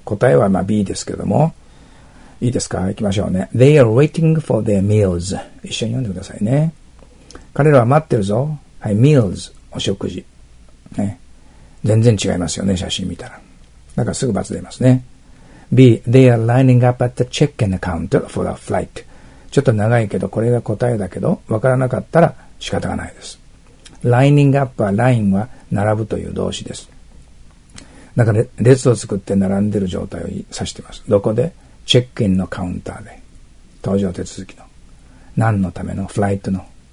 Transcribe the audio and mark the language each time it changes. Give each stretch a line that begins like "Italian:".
Japanese: 答えはまあ B ですけども。いいですか、いきましょうね。
English: They are waiting for their meals.
Japanese: 一緒に読んでくださいね。彼らは待ってるぞ。はい、meals。お食事。ね。全然違いますよね、写真見たら。だからすぐ罰出ますね。
English: B, they are lining up at the check-in counter for the flight.
Japanese: ちょっと長いけど、これが答えだけど、わからなかったら仕方がないです。 lining up は、line は、並ぶという動詞です。だから、列を作って並んでる状態を指してます。どこで？チェックインのカウンターで。搭乗手続きの。何のためのフライトの。